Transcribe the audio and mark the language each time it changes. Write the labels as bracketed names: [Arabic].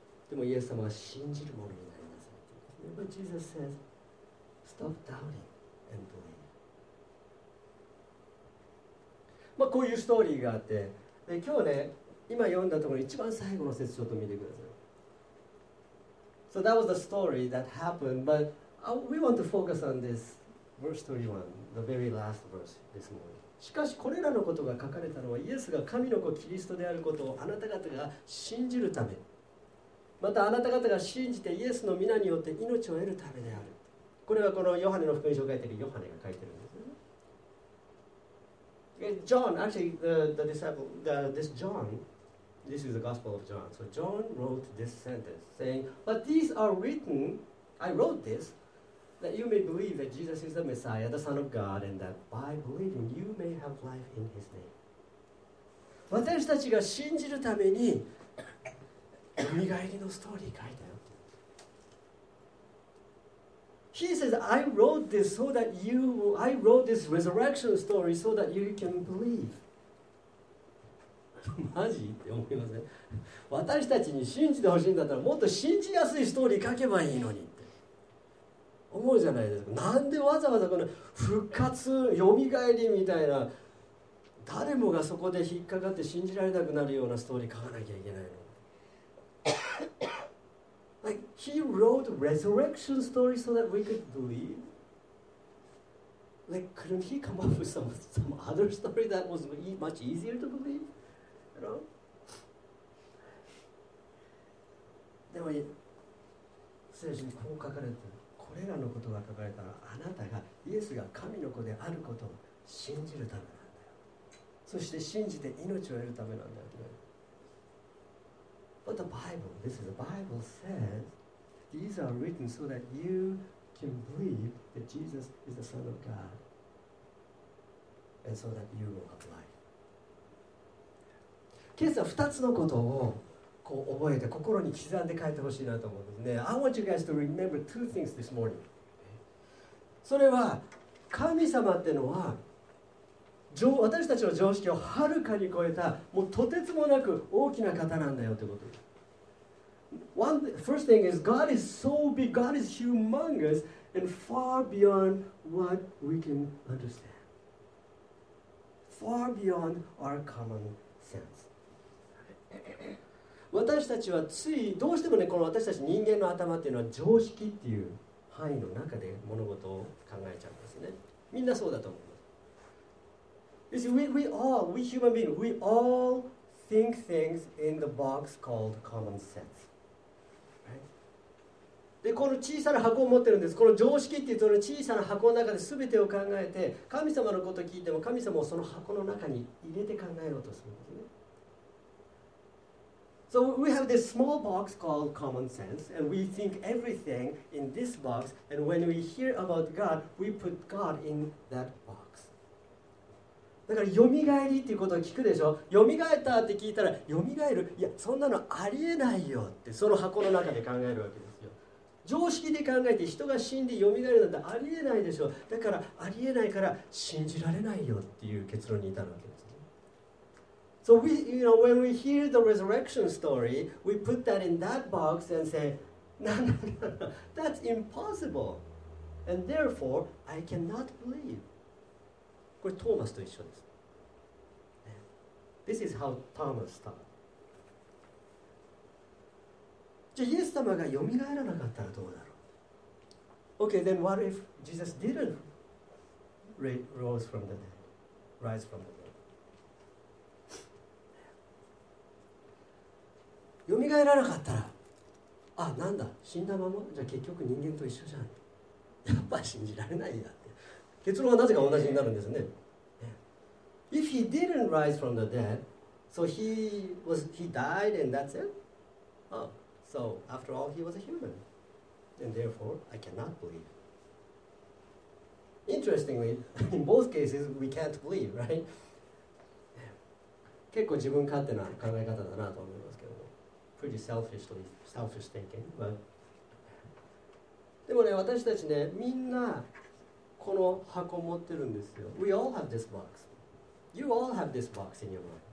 [Japanese] でもイエス様は信じるものになりなさいと。 [English] But Jesus says, stop doubting and believe. [Japanese] まあこういうストーリーがあって、で今日ね、今読んだところ一番最後の節ちょっと見てください。 [English] So that was the story that happened, but we want to focus on this verse 31, the very last verse this morning. [Japanese] しかしこれらのことが書かれたのはイエスが神の子キリストであることをあなた方が信じるため、またあなた方が信じてイエスの御名によって命を得るためである。これはこのヨハネの福音書を書いているヨハネが書いているんですね。 [English] John, actually the disciple, this John, this is the Gospel of John. So John wrote this sentence saying, but these are written, I wrote this,that you may believe that Jesus is the Messiah, the Son of God, and that by believing you may have life in His name. [Japanese] 私たちが信じるために蘇りのストーリー書いたよ。 [English] He says, I wrote this so that you, I wrote this resurrection story so that you can believe. [Japanese] マジって思いません。私たちに信じてほしいんだったらもっと信じやすいストーリー書けばいいのに。思うじゃないですか。なんでわざわざこの復活、よみがえりみたいな誰もがそこで引っかかって信じられなくなるようなストーリー書かなきゃいけないの。 [English] Like, he wrote resurrection story so that we could believe. Like, couldn't he come up with some other story that was much easier to believe? You know? [Japanese] でも、聖書にこう書かれてる。これらのことが書かれたのはあなたがイエスが神の子であることを信じるためなんだよ。そして信じて命を得るためなんだよ。 [English] But the Bible, this is the Bible says, these are written so that you can believe that Jesus is the Son of God and so that you will have life. [Japanese] ケースは2つのことを覚えて心に刻んで書いてほしいなと思うんですね。 [English] I want you guys to remember two things this morning. [Japanese] それは神様ってのは私たちの常識をはるかに超えたもうとてつもなく大きな方なんだよってこと。 [English] First thing is God is so big, God is humongous and far beyond what we can understand. Far beyond our common sense. [Japanese] 私たちはついどうしてもね、この私たち人間の頭っていうのは常識っていう範囲の中で物事を考えちゃうんですね。みんなそうだと思います。 [English] You see, we human beings, we all think things in the box called common sense.、 Right? [Japanese] で、この小さな箱を持ってるんです。この常識っていうその小さな箱の中で全てを考えて、神様のことを聞いても神様をその箱の中に入れて考えようとするんですね。 [English] So we have this small box called common sense, and we think everything in this box, and when we hear about God, we put God in that box. [Japanese] だから、よみがえりっていうことを聞くでしょ。よみがえったって聞いたら、よみがえる？いや、そんなのありえないよって、その箱の中で考えるわけですよ。常識で考えて、人が死んでよみがえるなんてありえないでしょ。だから、ありえないから信じられないよっていう結論に至るわけです。 [English] So we, you know, when we hear the resurrection story, we put that in that box and say, no, that's impossible. And therefore, I cannot believe. [Japanese] これトーマスと一緒です。 [English] This is how Thomas thought. [Japanese] じゃあイエス様がよみがえらなかったらどうだろう? [English] Okay, then what if Jesus didn't rise from the dead? Rise from the dead. [Japanese] 蘇らなかったら、あ、なんだ、死んだまま、じゃあ結局人間と一緒じゃん。やっぱ信じられないやって。結論はなぜか同じになるんですね。 [English] If he didn't rise from the dead, so he died and that's it? Oh, so after all, he was a human. And therefore, I cannot believe. Interestingly, in both cases, we can't believe, right? [Japanese] 結構自分勝手な考え方だなと思います。 [English] Pretty selfishly, selfish thinking, but... [Japanese] でもね、私たちね、みんなこの箱持ってるんですよ。 [English] We all have this box. You all have this box in your mind.